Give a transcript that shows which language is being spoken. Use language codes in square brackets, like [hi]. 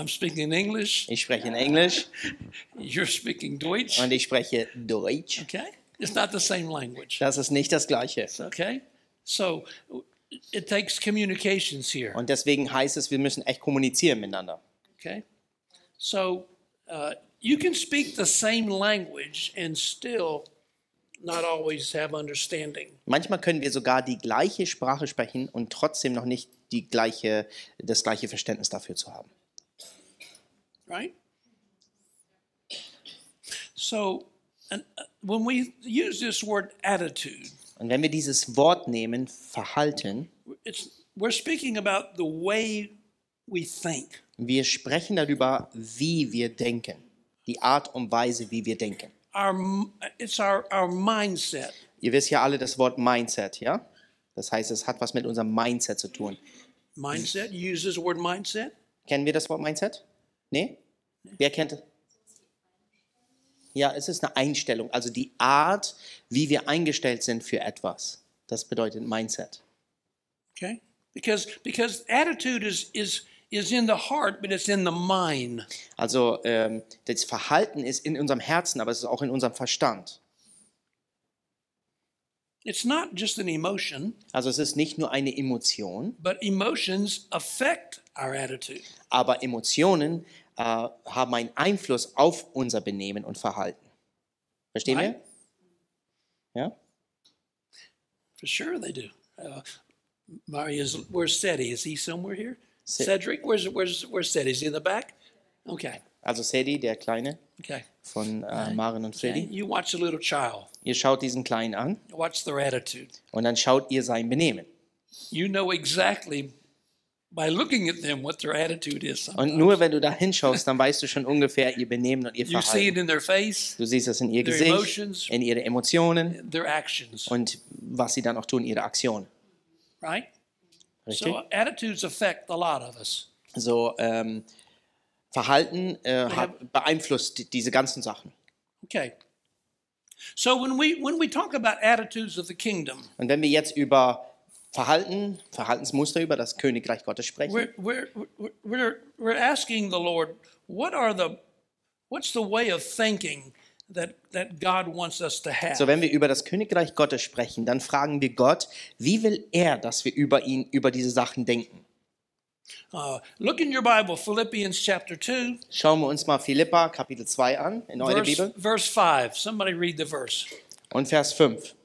[en] I'm speaking in English. [de] Ich spreche in Englisch. [en] You're speaking Deutsch. [de] Und ich spreche Deutsch. [en] Okay. It's not the same language. [de] Das ist nicht das gleiche. [en] Okay. So it takes communications here. [de] Und deswegen heißt es, wir müssen echt kommunizieren miteinander. [en] Okay. So you can speak the same language and still not always have understanding. [de] Manchmal können wir sogar die gleiche Sprache sprechen und trotzdem noch nicht das gleiche Verständnis dafür zu haben. [en] Right? So, when we use this word attitude, [de] und wenn wir dieses Wort nehmen, Verhalten, [en] we're speaking about the way we think. [de] Wir sprechen darüber, wie wir denken, die Art und Weise, wie wir denken. [en] It's our mindset. [de] Ihr wisst ja alle das Wort Mindset, ja? Das heißt, es hat was mit unserem Mindset zu tun. [en] Mindset? You use this word Mindset? [de] Kennen wir das Wort Mindset? Nee? Nee. Wer kennt es? Ja, es ist eine Einstellung, also die Art, wie wir eingestellt sind für etwas. Das bedeutet Mindset. [en] Okay? Because attitude is in the heart, but it's in the mind. [de] Also, das Verhalten ist in unserem Herzen, aber es ist auch in unserem Verstand. [en] It's not just an emotion. [de] Also es ist nicht nur eine Emotion. [en] But emotions affect our attitude. [de] Aber Emotionen haben einen Einfluss auf unser Benehmen und Verhalten. Verstehen wir? Ja? [en] For sure they do. Marius, where's Teddy? Is he somewhere here? Cedric, where's Teddy? Is he in the back? Okay. [de] Also Teddy, der Kleine. Okay. Von Maren und Freddy. [en] You watch a little child. [de] Ihr schaut diesen Kleinen an. [en] Watch their attitude. [de] Und dann schaut ihr sein Benehmen. [en] You know exactly by looking at them what their attitude is. Sometimes. [de] Und nur wenn du da hinschaust, dann weißt du schon ungefähr ihr Benehmen und ihr Verhalten. [en] You see it in their face. [de] Du siehst es in ihr Gesicht, emotions, in ihre Emotionen, [en] their actions. [de] Und was sie dann auch tun, ihre Aktionen. [en] Right? [de] Richtig? [en] So attitudes affect a lot of us. [de] So Verhalten beeinflusst diese ganzen Sachen. [en] Okay. So when we talk about attitudes of the kingdom. [de] Und wenn wir jetzt über Verhaltensmuster über das Königreich Gottes sprechen. [en] We're asking the Lord, what's the way of thinking that God wants us to have. [de] So wenn wir über das Königreich Gottes sprechen, dann fragen wir Gott, wie will er, dass wir über ihn über diese Sachen denken? [en] Look in your Bible, Philippians chapter 2. [de] Schauen wir uns mal Philippa Kapitel 2 an in eurer Bibel. [en] Verse 5. Somebody read the verse. [de] Und Vers 5.